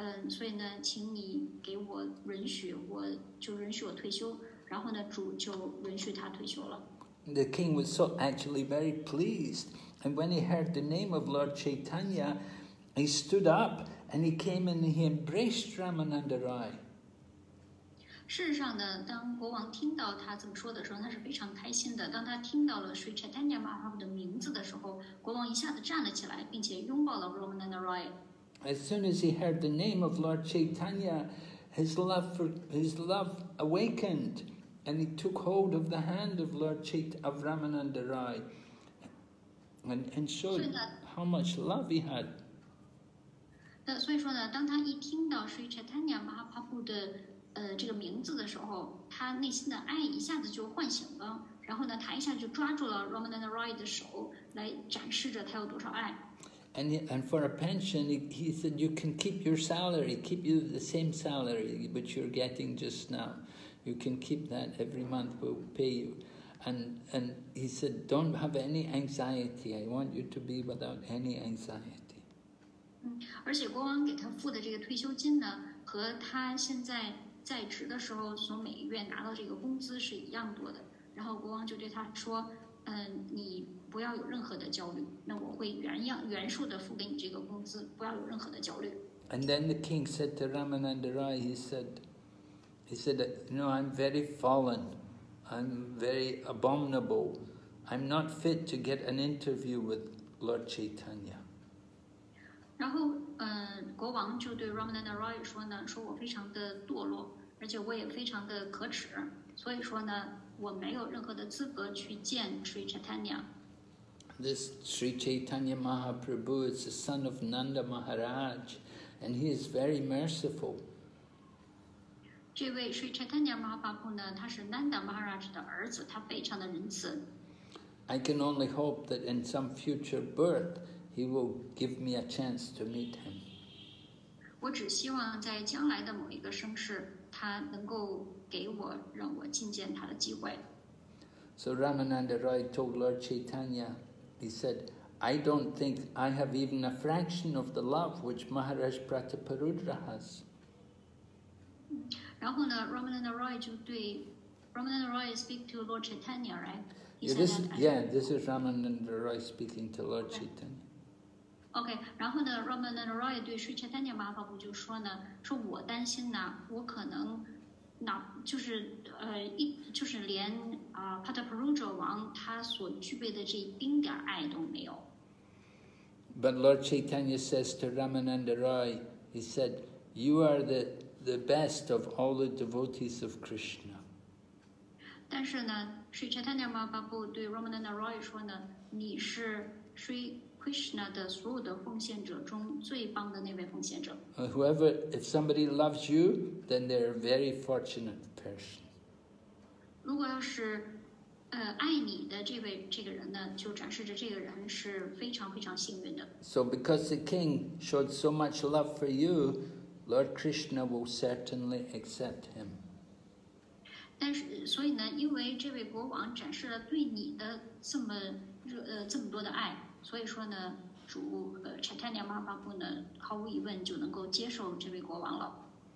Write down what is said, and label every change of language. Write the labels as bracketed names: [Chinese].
[Chinese] 所以呢，请你给我允许，我就允许我退休，然后呢，主就允许他退休了。 [English] The king was so actually very pleased, and when he heard the name of Lord Chaitanya, he stood up and he came and he embraced Ramananda Rai. [Chinese] 事实上呢，当国王听到他这么说的时候，他是非常开心的。当他听到了 Sri Chaitanya Mahaprabhu 的名字的时候，国王一下子站了起来，并且拥抱了 Ramananda Rai. [English] As soon as he heard the name of Lord Chaitanya, his love awakened. And he took hold of the hand of Lord Chaitanya, of Ramananda Rai, and showed how much love he had. [Chinese] 那所以说呢，当他一听到 Sri Chaitanya Mahaprabhu 的这个名字的时候，他内心的爱一下子就唤醒了。然后呢，他一下就抓住了 Ramananda Rai 的手，来展示着他有多少爱。 [English] And for a pension, he said, "You can keep your salary. Keep you the same salary which you're getting just now." You can keep that every month, we'll pay you. And he said, don't have any anxiety. I want you to be without any anxiety. [Chinese] 而且国王给他付的这个退休金呢，和他现在在职的时候所每月拿到这个工资是一样多的。然后国王就对他说，你不要有任何的焦虑，那我会原数的付给你这个工资，不要有任何的焦虑。 [English] And then the king said to Ramananda Rai, he said, no, I'm very fallen. I'm very abominable. I'm not fit to get an interview with Lord Chaitanya. [Chinese] 然后，国王就对 Ramananda Rai 说呢，说我非常的堕落，而且我也非常的可耻，所以说呢，我没有任何的资格去见 Sri Chaitanya. [English] This Sri Chaitanya Mahaprabhu is the son of Nanda Maharaj, and he is very merciful. [Chinese] 这位 Sri Chaitanya Mahaprabhu 呢，他是 Nanda Maharaj 的儿子，他非常的仁慈。 [English] I can only hope that in some future birth, he will give me a chance to meet him. [Chinese] 我只希望在将来的某一个生世，他能够给我让我觐见他的机会。 [English] So Ramananda Rai told Lord Chaitanya, he said, I don't think I have even a fraction of the love which Maharaj Prataparudra has. [Chinese] 然后呢 ，Ramananda Rai 就对 [English] Ramananda Rai speak to Lord Chaitanya, right? This is Ramananda Rai speaking to Lord Chaitanya. Okay. [Chinese] 然后呢 ，Ramananda Rai 对 Sri Chaitanya Mahaprabhu 就说呢，说我担心呐，我可能那就是就是连啊 Pataparudra 王他所具备的这一丁点爱都没有。 [English] But Lord Chaitanya says to Ramananda Rai, he said, "You are the best of all the devotees of Krishna." [Chinese] 但是呢 ，Sri Chaitanya Mahaprabhu 对 Ramananda Rai 说呢，你是 Sri Krishna 的所有的奉献者中最棒的那位奉献者。 [English] Whoever, if somebody loves you, then they're a very fortunate person. [Chinese] 如果要是，爱你的这个人呢，就展示着这个人是非常非常幸运的。 [English] So because the king showed so much love for you. Lord Krishna will certainly accept him. [Chinese] 但是，所以呢，因为这位国王展示了对你的这么多的爱，所以说呢，主Chaitanya Mahaprabhu呢，毫无疑问就能够接受这位国王了。